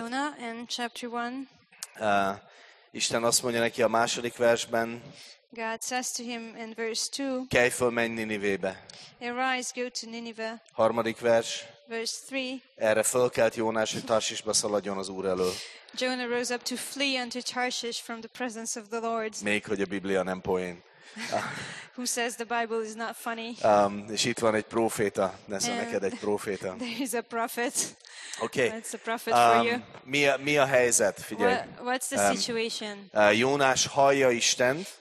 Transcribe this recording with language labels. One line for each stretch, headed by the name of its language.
English: Jonah and chapter one.
Hungarian: Isten azt mondja neki a második versben,
English: God says to him in verse 2.
Hungarian: Kelj föl, menj Ninivébe.
English: Arise, go to Nineveh.
Hungarian: Harmadik vers.
English: Verse 3.
Hungarian: Erre fölkelt Jónás, hogy Tarsisba szaladjon az Úr elől.
English: Jonah rose up to flee unto Tarshish from the presence of the Lord.
Hungarian: Még hogy a Biblia nem poén.
English: Who says the Bible is not funny?
Hungarian: És itt van egy proféta. Nézze neked egy proféta.
English: There is a prophet. Okay. That's a prophet for you.
Hungarian: Mi a helyzet? Figyelj.
English: What's the situation?
Hungarian: Jónás hallja Istent.